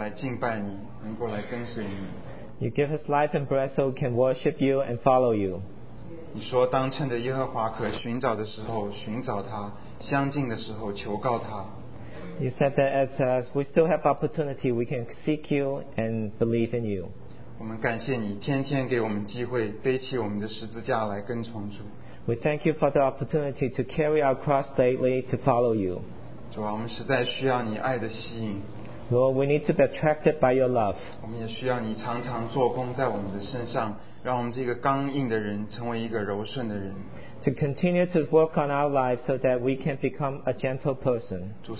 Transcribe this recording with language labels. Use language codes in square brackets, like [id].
[zh] 仍然给我们有生命气息，能够来敬拜你，能够来跟随你。 [en] You give us life and breath so we can worship you and follow you. [zh] 你说当趁着耶和华可寻找的时候寻找他，相近的时候求告他。 [en] You said that as we still have opportunity, we can seek you and believe in you. [zh] 我们感谢你天天给我们机会背起我们的十字架来跟从主。 [en] We thank you for the opportunity to carry our cross daily to follow you. [zh] 主啊，我们实在需要你爱的吸引。 [en] Lord, we need to be attracted by your love. [zh] 我们也需要你常常做工在我们的身上。 [en] To continue to work on our lives so that we can become a gentle person.